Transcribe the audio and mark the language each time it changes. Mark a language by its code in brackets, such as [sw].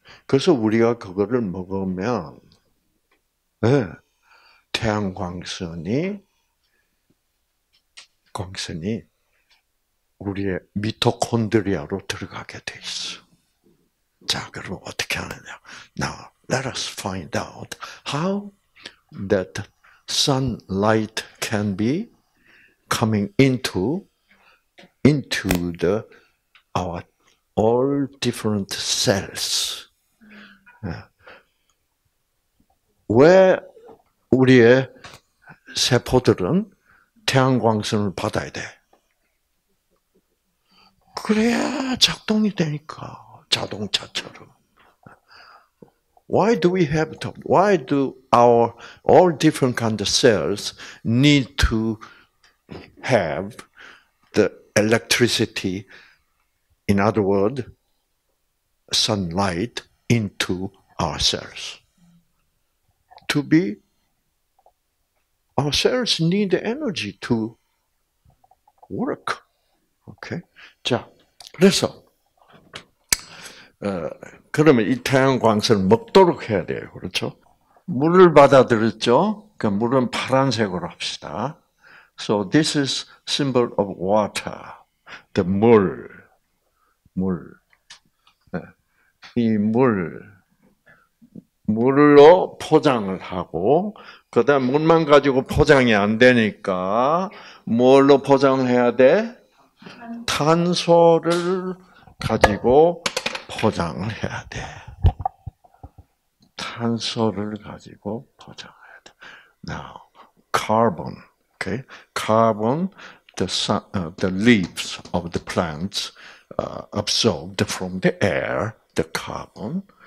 [ko] 그래서 우리가 그거를 먹으면, 네, 태양광선이 우리의 미토콘드리아로 들어가게 돼 있어. 자, 그럼 어떻게 하느냐? [en] Now, let us find out how that sunlight can be coming into the our all different cells. [ko] 왜 우리의 세포들은 태양광선을 받아야 돼? 그래야 작동이 되니까, 자동차처럼. [en] Why do our all different kind of cells need to have the electricity, in other words, sunlight into our cells? To be, our cells need the energy to work. Okay? [ko] 자, 그래서, 그러면 이 태양광선을 먹도록 해야 돼요. 그렇죠? 물을 받아들였죠? 그러니까 물은 파란색으로 합시다. [en] So this is symbol of water. The [ko] 물. 물. 이 물. 물로 포장을 하고, 그 다음 물만 가지고 포장이 안 되니까, 뭘로 포장을 해야 돼? 탄소를 가지고 포장을 해야 돼. 탄소를 가지고 포장을 해야 돼. [en] Now, carbon, okay? Carbon, the leaves of the plants absorbed from the air, the carbon.